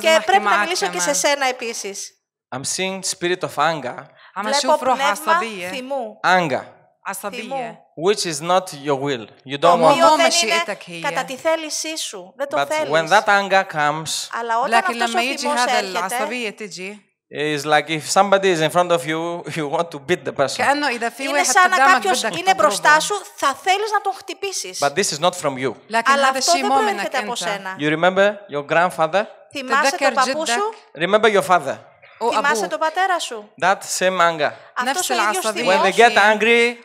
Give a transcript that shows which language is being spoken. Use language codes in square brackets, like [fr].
[el] Και πρέπει να μιλήσω και σε σένα επίσης. [en] I'm seeing spirit of anger. [el] Βλέπω πνεύμα θυμού. [en] Anger. Which is not your will. You don't want [el] to είναι κατά τη θέλησή σου. Δεν το θέλεις. [en] When that anger comes, [el] αλλά όταν αυτός ο θυμός έρχεται, [en] It's like if somebody is in front of you, you want to beat the person. [el] Κάνω, είναι σαν να κάποιος είναι μπροστά σου, θα θέλεις να τον χτυπήσεις. [en] But this is not from you. [el] Αλλά αυτό δεν προέρχεται από σένα. [en] You remember your grandfather? [el] Θυμάσαι τον παππού σου? [en] Remember your father? [el] Θυμάσαι τον πατέρα σου? [en] That same anger. [el] Αυτός ο ίδιος θυμός. [en] When they get angry,